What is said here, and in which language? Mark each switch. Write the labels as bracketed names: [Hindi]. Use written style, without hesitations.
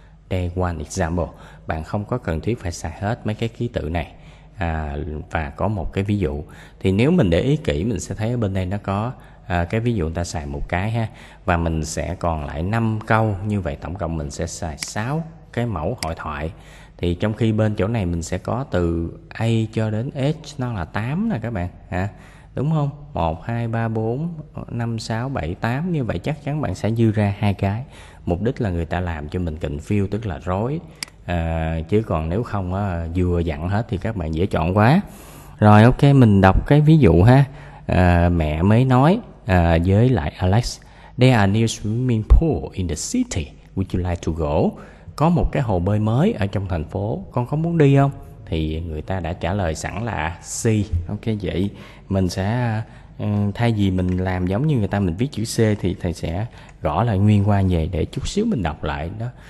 [English] Day one example. [Vietnamese] Bạn không có cần thiết phải xài hết mấy cái ký tự này. Và có một cái ví dụ. Thì nếu mình để ý kỹ, mình sẽ thấy ở bên đây nó có cái ví dụ người ta xài một cái ha. Và mình sẽ còn lại 5 câu. Như vậy tổng cộng mình sẽ xài 6 cái mẫu hội thoại. Thì trong khi bên chỗ này mình sẽ có từ A cho đến H, nó là 8 nè các bạn ha. Đúng không? 1, 2, 3, 4, 5, 6, 7, 8. Như vậy chắc chắn bạn sẽ dư ra 2 cái. Mục đích là người ta làm cho mình confused, tức là rối. Chứ còn nếu không vừa dặn hết thì các bạn dễ chọn quá. Rồi ok, mình đọc cái ví dụ ha. Mẹ mới nói với lại Alex. [English] There are new swimming pool in the city. Would you like to go? [Vietnamese] Có một cái hồ bơi mới ở trong thành phố. Con có muốn đi không? Thì người ta đã trả lời sẵn là C. Ok, vậy mình sẽ thay vì mình làm giống như người ta, mình viết chữ C, thì thầy sẽ gõ lại nguyên qua về để chút xíu mình đọc lại đó.